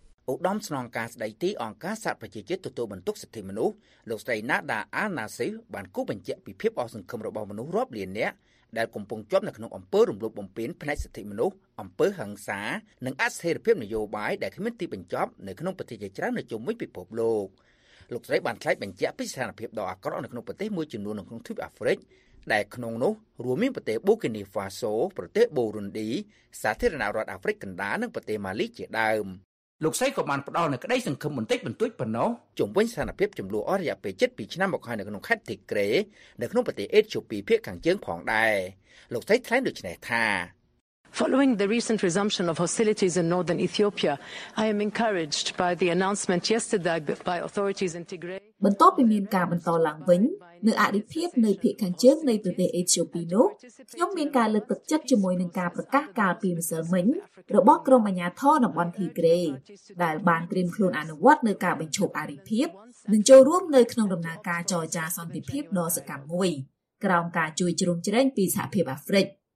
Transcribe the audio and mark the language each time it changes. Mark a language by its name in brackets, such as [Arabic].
[Khmer] ឧត្តមស្នងការស្ដីទីអង្គការសហប្រជាជាតិទទួលបន្ទុកសិទ្ធិមនុស្សលោកស្រីណាដាអាណាស៊ីបានគូបញ្ជាក់ពីភាពអសង្ឃឹមរបស់មនុស្សរាប់លាននាក់ដែលកំពុងជាប់នៅក្នុងអំពើរំលោភបំពានផ្នែកសិទ្ធិមនុស្សអំពើហិង្សានិងអស្ថិរភាពនយោបាយដែលគ្មានទីបញ្ចប់នៅក្នុងប្រទេសជាច្រើននៅជុំវិញពិភពលោកលោកស្រីបានថ្លែងបញ្ជាក់ពីស្ថានភាពដ៏អាក្រក់នៅក្នុងប្រទេសមួយចំនួននៅក្នុងទ្វីបអាហ្វ្រិកដែលក្នុងនោះរួមមានប្រទេសបូគីណាហ្វាសូប្រទេសប៊ូរុនឌីសាធារណរដ្ឋអាហ្វ្រិកកណ្ដាលនិងប្រទេសម៉ាលីជាដើម លោកស្រីក៏បានផ្ដល់នូវក្តីសង្ឃឹមបន្តិចបន្តួចប៉ុណ្ណោះ ជំវិញស្ថានភាពចំនួនអររយៈពេល7ឆ្នាំមកហើយនៅក្នុងខេត្តទីក្រេនៅក្នុងប្រទេសអេត្យូពីភាគខាងជើងផងដែរលោកស្រីថ្លែងដូចនេះថា [English] following the recent resumption of hostilities in northern Ethiopia I am encouraged by the announcement yesterday by authorities in Tigray [Khmer] បន្ទាប់ពីមានការបន្តឡើងវិញនៅអតិភិបនៃភាគខាងជើងនៃប្រទេសអេត្យូពីនោះខ្ញុំមានការលើកទឹកចិត្តជាមួយនឹងការប្រកាសកាលពីម្សិលមិញរបស់ក្រុមអាជ្ញាធរតំបន់ Tigray ដែលបានត្រៀមខ្លួនអនុវត្តនៅការបញ្ឈប់អតិភិបនិងចូលរួមនៅក្នុងដំណើរការចរចាសន្តិភាពដ៏សកម្មមួយក្រោមការជួយជ្រោមជ្រែងពីសហភាពអាហ្វ្រិក